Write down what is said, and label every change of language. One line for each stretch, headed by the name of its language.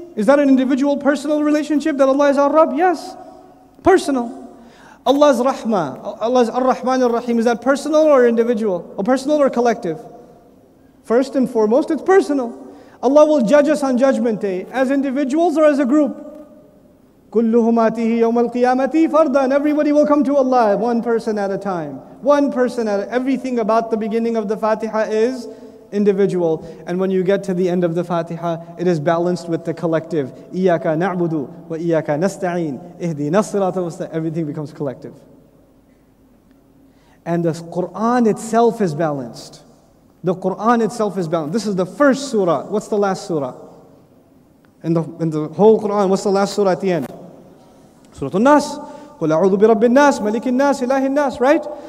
English: Is that an individual personal relationship that Allah is our Rabb? Yes. Personal. Allah's Rahmah. Allah's Ar-Rahman Ar-Rahim. Is that personal or individual? Or personal or collective? First and foremost, it's personal. Allah will judge us on Judgment Day as individuals or as a group.
Arabic: كلهم آتيه يوم القيامة فرداً.
English: Everybody will come to Allah, one person at a time. One person at a time. Everything about the beginning of the Fatiha is individual. And when you get to the end of the Fatiha, it is balanced with the collective.
Arabic: إياك نعبد وإياك نستعين إهدينا الصراط المستقيم.
English: Everything becomes collective. And the Quran itself is balanced. The Quran itself is balanced. This is the first surah. What's the last surah? In the whole Quran, what's the last surah at the end?
Arabic: Surah An-Nas. قُلْ أَعُوذُ بِرَبِّ النَّاسِ مَلِكِ النَّاسِ إِلَهِ النَّاسِ.
English: Right?